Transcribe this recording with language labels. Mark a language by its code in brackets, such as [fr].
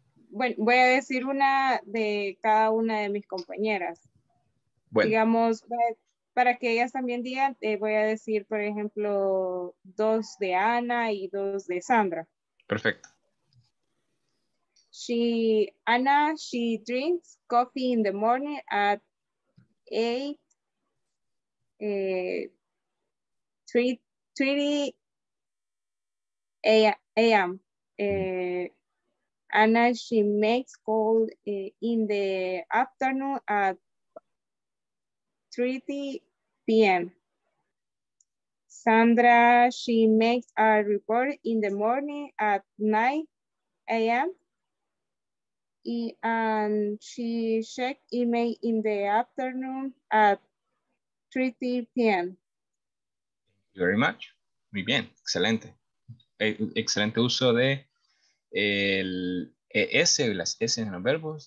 [es] Bueno, voy a decir una de cada una de mis compañeras. Bueno. Digamos, para que ellas también digan, voy a decir, por ejemplo, dos de Ana y dos de Sandra. Perfecto. [en] Ana drinks coffee in the morning at 8:30 a.m. Ana, she makes cold in the afternoon at 3:30 p.m. Sandra, she makes a report in the morning at 9 a.m. And she checks email in the afternoon at 3:30 p.m. Thank you very much. [es] Muy bien, excelente. Excelente uso de el ES y las S en los verbos.